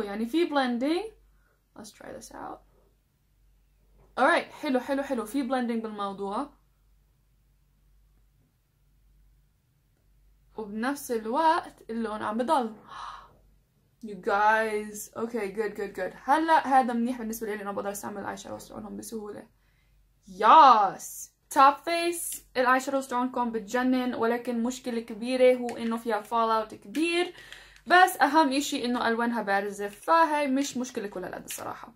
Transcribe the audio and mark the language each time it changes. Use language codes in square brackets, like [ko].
[ar] يعني في blending. [en] Let's try this out. All right, [ar] حلو حلو حلو. في blending بالموضوع. وبنفس الوقت اللون عم بضل. [en] You guys, okay, good, good, good. [ar] هلا هذا منيح بالنسبة لي، أنا بقدر استعمل الآي شادوز لونهم بسهولة. [en] Yes, top face. [ar] الآي شادوز لونكم بتجنن، ولكن مشكلة كبيرة هو إنه فيها fallout كبير. بس أهم إشي إنه ألوانها بارزة، فهي مش مشكلة كل هالقد الصراحة.